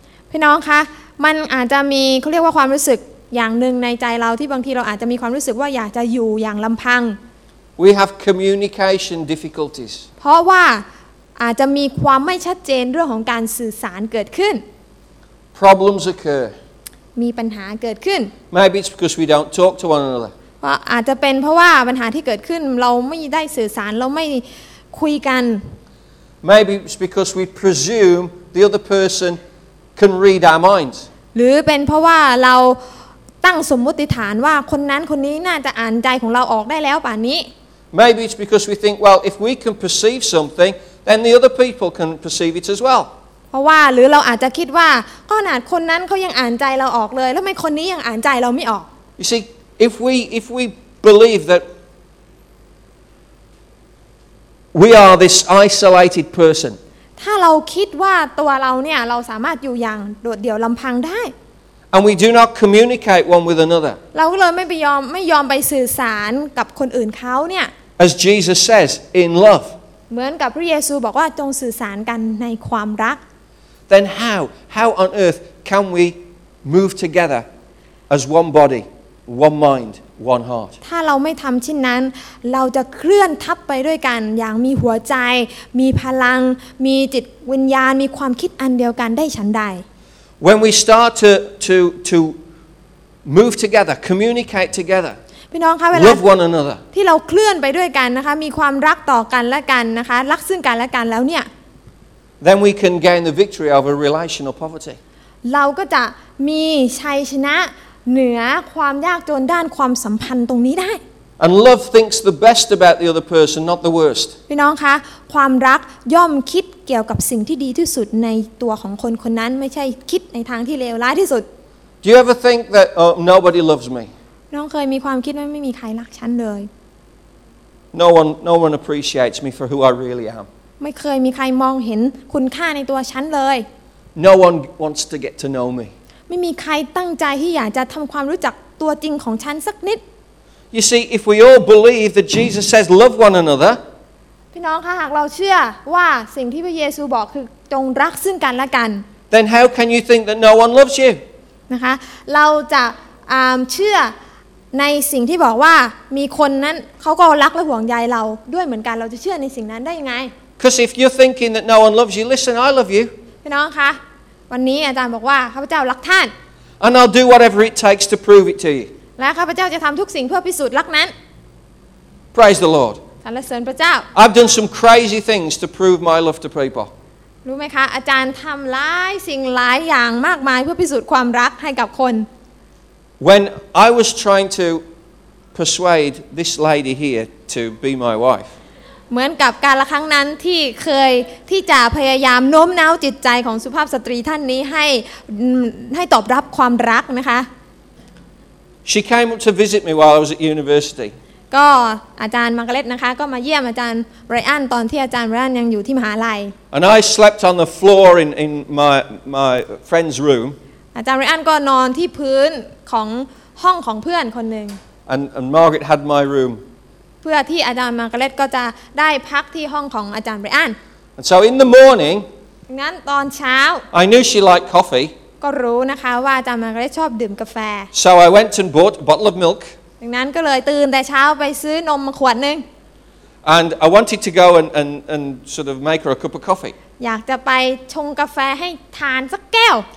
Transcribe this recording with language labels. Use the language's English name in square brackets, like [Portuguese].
[Thai] พี่น้องคะมันอาจจะมีเขาเรียกว่าความรู้สึกอย่างหนึ่งในใจเราที่บางทีเราอาจจะมีความรู้สึกว่าอยากจะอยู่อย่างลำพัง [English] We have communication difficulties [Thai] เพราะว่า าจจะมีความไม่ชัดเจนเรื่องของการสื่อสารเกิดขึ้น [English] problems occur [Thai] มีปัญหาเกิดขึ้น [English] maybe it's because we don't talk to one another [Thai] ก็อาจจะเป็นเพราะว่าปัญหาที่เกิดขึ้นเราไม่ได้สื่อสารเราไม่คุยกัน [English] maybe it's because we presume the other person can read our minds [Thai] หรือเป็นเพราะว่าเราตั้งสมมติฐานว่าคนนั้นคนนี้น่าจะอ่านใจของเราออกได้แล้วป่านนี้ [English] Maybe it's because we think well if we can perceive something then the other people can perceive it as well [Thai] เพราะว่าหรือเราอาจจะคิดว่าขนาดคนนั้นเขายังอ่านใจเราออกเลยแล้วทำไมคนนี้ยังอ่านใจเราไม่ออก [English] You see if we believe that we are this isolated person [Thai] ถ้าเราคิดว่าตัวเราเนี่ยเราสามารถอยู่อย่างโดดเดี่ยวลำพังได้ [English] And we do not communicate one with another. [Thai] เราก็เลยไม่ยอมไปสื่อสารกับคนอื่นเขาเนี่ย [English] As Jesus says in love. [Thai] เหมือนกับพระเยซูบอกว่าจงสื่อสารกันในความรัก [English] Then how on earth can we move together as one body, one mind, one heart? [Thai] ถ้าเราไม่ทำเช่นนั้นเราจะเคลื่อนทับไปด้วยกันอย่างมีหัวใจมีพลังมีจิตวิญญาณมีความคิดอันเดียวกันได้ฉันใด [English] When we start to move together, communicate together, [Thai] พี่น้องคะเว [English] ลา love one another [Thai] ที่เราเคลื่อนไปด้วยกันนะคะมีความรักต่อกันและกันนะคะรักซึ่งกันและกันแล้วเนี่ย [English] then we can gain the victory over relational poverty [Thai] เราก็จะมีชัยชนะเหนือความยากจนด้านความสัมพันธ์ตรงนี้ได้ [English] and love thinks the best about the other person, not the worst [Thai] พี่น้องคะความรักย่อมคิดเกี่ยวกับสิ่งที่ดีที่สุดในตัวของคนคนนั้นไม่ใช่คิดในทางที่เลวร้ายที่สุด [English] Do you ever think that nobody loves me? [Thai] น้องเคยมีความคิดว่าไม่มีใครรักฉันเลย [English] No one appreciates me for who I really am. [Thai] ไม่เคยมีใครมองเห็นคุณค่าในตัวฉันเลย [English] No one wants to get to know me. [Thai] ไม่มีใครตั้งใจที่อยากจะทำความรู้จักตัวจริงของฉันสักนิด [English] You see, if we all believe that Jesus says love one another. [Thai] พี่น้องคะหากเราเชื่อว่าสิ่งที่พระเยซูบอกคือจงรักซึ่งกันและกัน [English] Then how can you think that no one loves you? [Thai] นะคะเราจะเชื่อในสิ่งที่บอกว่ามีคนนั้นเขาก็รักและห่วงใยเราด้วยเหมือนกันเราจะเชื่อในสิ่งนั้นได้ยังไง [English] Because if you're thinking that no one loves you, listen, I love you. [Thai] พี่น้องคะวันนี้อาจารย์บอกว่าข้าพเจ้ารักท่าน [English] And I'll do whatever it takes to prove it to you. [Thai] และข้าพเจ้าจะทำทุกสิ่งเพื่อพิสูจน์รักนั้น [English] Praise the Lord. [Thai] สรรเสริญพระเจ้า [English] I've done some crazy things to prove my love to people. [Thai] รู้ไหมคะอาจารย์ทำหลายสิ่งหลายอย่างมากมายเพื่อพิสูจน์ความรักให้กับคน [English] When I was trying to persuade this lady here to be my wife. [Thai] เหมือนกับการละครั้งนั้นที่เคยที่จะพยายามโน้มน้าวจิตใจของสุภาพสตรีท่านนี้ให้ตอบรับความรักนะคะ [English] She came up to visit me while I was at university. [Thai] ก็อาจารย์มาร์กาเร็ตนะคะก็มาเยี่ยมอาจารย์ไรอันตอนที่อาจารย์ไรอันยังอยู่ที่มหาลัย [English] And I slept on the floor in my friend's room [Thai] อาจารย์ไรอันก็นอนที่พื้นของห้องของเพื่อนคนนึง [English] And Margaret had my room [Thai] เพื่อที่อาจารย์มาร์กาเร็ตก็จะได้พักที่ห้องของอาจารย์ไรอัน [English] And so in the morning [Thai] งั้นตอนเช้า [English] I knew she liked coffee [Thai] ก็รู้นะคะว่าอาจารย์มาร์กาเร็ตชอบดื่มกาแฟ [English] So I went and bought a bottle of milk [Thai] ดังนั้นก็เลยตื่นแต่เช้าไปซื้อนมมาขวดนึง [English] And I wanted to go and sort of make her a cup of coffee. [Thai] อยากจะไปชงกาแฟให้ทานสักแก้ว